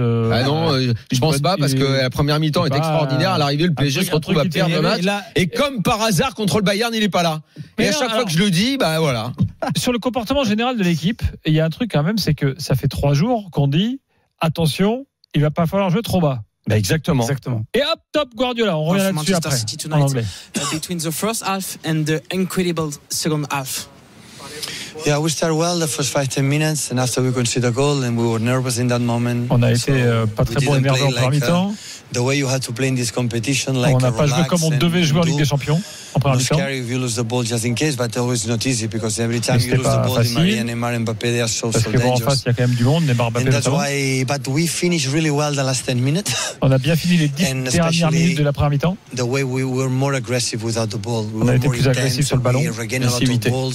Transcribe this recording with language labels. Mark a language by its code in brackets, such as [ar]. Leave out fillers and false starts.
[fr] Ah non, je pense pas, parce que la première mi-temps est extraordinaire. À l'arrivée, le PSG se retrouve à perdre le match. Et comme par hasard, contre le Bayern, il n'est pas là. Mais et à chaque fois que je le dis, ben voilà. Sur le comportement général de l'équipe, il y a un truc quand même, c'est que ça fait trois jours qu'on dit attention, il ne va pas falloir jouer trop bas. Ben exactement. Exactement. Et hop, top Guardiola, on revient là-dessus après. City tonight, en anglais. [en] Between the first half and the incredible second half. Yeah, we started well the first 5-10 minutes, and after we conceded a goal, and we were nervous in that moment. [fr] On a so été pas très bon énervé en premier temps. [en] The way you had to play in this competition, like [fr] on a pas joué comme on devait jouer en Ligue des Champions en premier temps. [en] It's scary if you lose the ball just in case, but always not easy because every time you lose the ball, Neymar and Mbappé they are so dangerous. [fr] Parce que bon, en face, il y a quand même du monde, Neymar, Mbappé. [en] And that's why, but we finished really well the last 10 minutes. [fr] On a bien fini les 10 dernières minutes de la première mi-temps. [en] The way we were more aggressive without the ball, [fr] on a été plus agressif sur le ballon, agressivité.